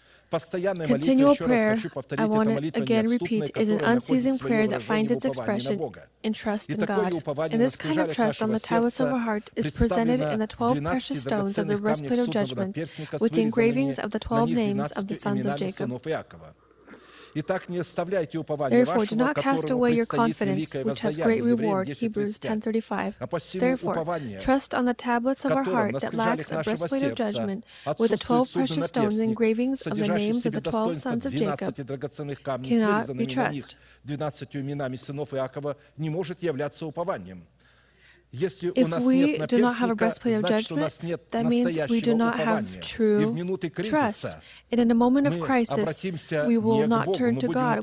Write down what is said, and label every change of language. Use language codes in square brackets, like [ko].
[en] Continual prayer, I want to again repeat, is an unceasing prayer that finds its expression in trust in God. And this kind of trust on the tablets of our heart is presented in the 12 precious stones of the breastplate of judgment with the engravings of the 12 names of the sons of Jacob. [ru] Итак, не оставляйте упования вашего, которому предстоит великое воздаяние. [en] Which has great reward, Hebrews 10:35. Therefore, trust on the tablets of our heart that lacks a breastplate of judgment, with the 12 precious stones, engravings of the names of the 12 sons of Jacob, cannot be trusted. [ru] 12 именами сынов Иакова не может являться упованием. Если [en] if we do not have a breastplate of judgment, [ru] значит, [en] that means we do not have true trust. And in a moment of crisis, we will not turn to God.